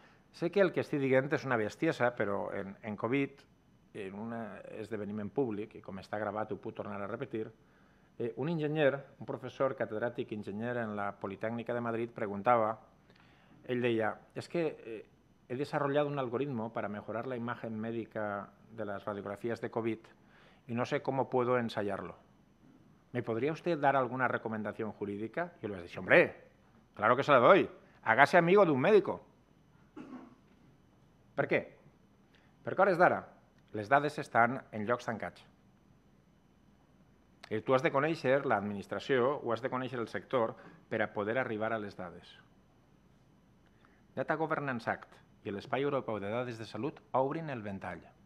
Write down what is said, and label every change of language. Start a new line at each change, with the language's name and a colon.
Catalan: Sé que el que estic dient és una bestiesa, però en Covid, en un esdeveniment públic, i com està gravat ho puc tornar a repetir, un enginyer, un professor catedràtic enginyer en la Politècnica de Madrid, preguntava, ell deia, és que he desenvolupat un algoritme per a millorar la imatge mèdica de les radiografies de Covid i no sé com puc ensenyar-lo.
Spanish: ¿Me podría usted dar alguna recomendación jurídica? Y yo le voy a decir, hombre, claro que se la doy. Hágase amigo de un médico. ¿Per qué? Porque ahora es d'ara.
Catalan: Les dades estan en llocs tancats. I tu has de conèixer l'administració o has de conèixer el sector per a poder arribar a les dades. Data Governance Act i l'Espai Europeu de Dades de Salut obrin el ventall.